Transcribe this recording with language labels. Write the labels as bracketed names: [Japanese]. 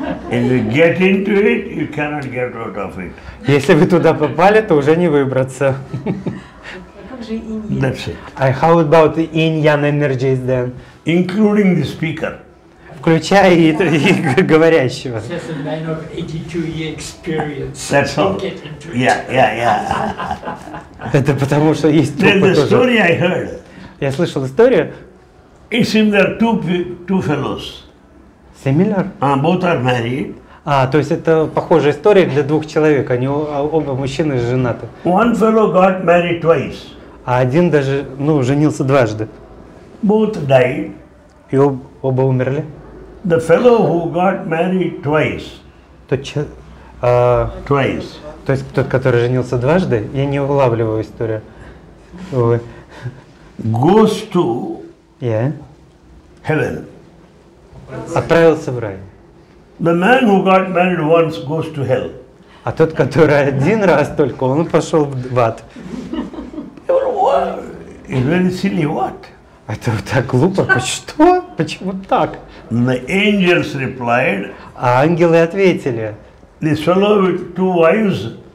[English] If you get into it, you cannot get out of it. [Russian] Если вы туда попали, то уже не выбраться. [English] That's it. How about the yin-yang energies then? Including the speaker. [Russian] Включая и говорящего. [English] Just a man of 82-year experience. That's all. Yeah. [Russian] Это потому, что есть трупы тоже. [English] There's a story I heard. [Russian] Я слышал историю. [English] It seems there are two fellows. Similar? Both are married. [Russian] То есть это похожая история для двух человек. Они оба мужчины женаты. [English] One fellow got married twice. [Russian] А один даже, ну, женился дважды. [English] Both died. [Russian] И оба умерли. [English] The fellow who got married twice. Twice. [Russian] То есть тот, который женился дважды, я не улавливаю историю. [English] Goes to yeah. Heaven. [Russian] Отправился в рай. [English] The man who got married once goes to hell. [Russian] А тот, который один раз только, он пошел в ад. [English] It's very silly, what? [Russian] Это так глупо, что? Почему так? [English] The angels replied. [Russian] Ангелы ответили. [English] This fellow with two wives.